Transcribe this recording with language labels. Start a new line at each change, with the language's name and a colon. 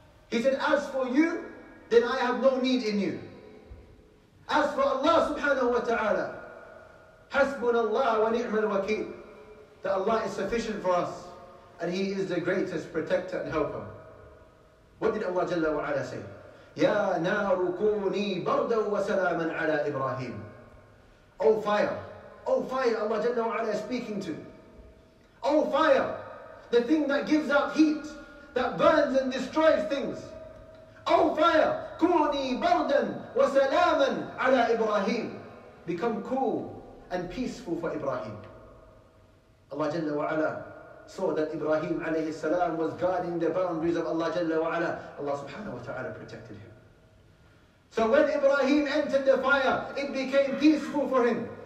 English: He said, as for you, then I have no need in you. As for Allah subhanahu wa ta'ala, hasbunallah wa ni'mal wakeel, that Allah is sufficient for us, and He is the greatest protector and helper. What did Allah jalla wa ala say?
Arabic: يا نار كوني بردا وسلاما على إبراهيم.
English: Oh fire, oh fire, Allah Jalla wa'ala is speaking to. Oh fire, the thing that gives out heat, that burns and destroys things. Oh fire,
Arabic: كوني بردا وسلاما على إبراهيم.
English: Become cool and peaceful for Ibrahim. Allah Jalla wa'ala saw that Ibrahim alayhi salam was guarding the boundaries of Allah Jalla wa'ala. Allah subhanahu wa ta'ala protected him. So when Ibrahim entered the fire, it became peaceful for him.